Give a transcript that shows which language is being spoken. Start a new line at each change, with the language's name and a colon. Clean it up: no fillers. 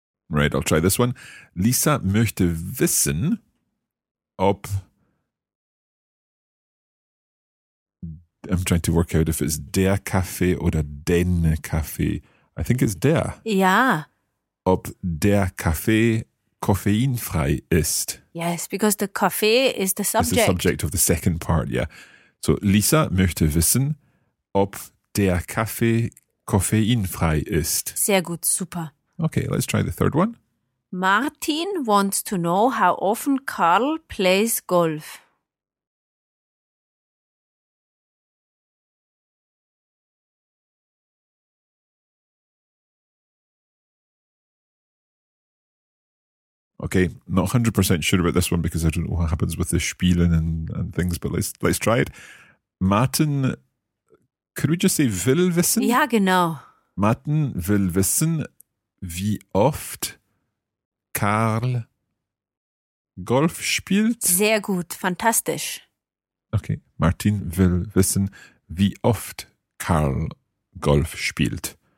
English: Right, I'll try this one.
German: Lisa möchte wissen, ob,
English: I'm trying to work out if it's
German: der Kaffee oder den Kaffee.
English: I think it's der.
German: Ja. Ob der Kaffee koffeinfrei ist.
English: Yes, because the Kaffee is the subject. It's the subject of the second part, yeah.
German: So Lisa möchte wissen, ob der Kaffee koffeinfrei ist. Sehr gut, super.
English: Okay, let's try the third one. Martin wants to know how often Karl plays golf. Okay, not 100% sure about this one because I don't know what happens with the spielen and things, but let's try it. Martin, could we just say
German: will wissen? Ja, genau. Martin will wissen, wie oft Karl Golf spielt? Sehr gut, fantastisch. Okay, Martin will wissen, wie oft Karl Golf spielt.